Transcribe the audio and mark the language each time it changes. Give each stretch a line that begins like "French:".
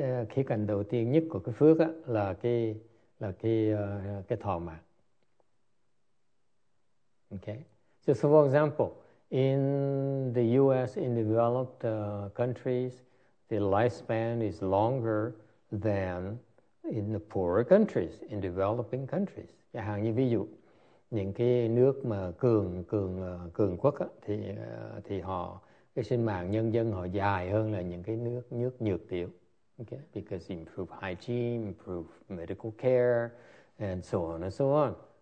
Vietnamese: khía cạnh đầu tiên nhất của cái phước á là cái thọ mạng.
English: Okay. So, so for example, in the U.S., in developed countries, the lifespan is longer than in the poorer countries, in developing countries.
Vietnamese: Chẳng hạn như ví dụ những cái nước mà cường quốc á, thì họ cái sinh mạng nhân dân họ dài hơn là những cái nước nhược tiểu.
English: Okay. Because improved hygiene, improved medical care, and so on and so on.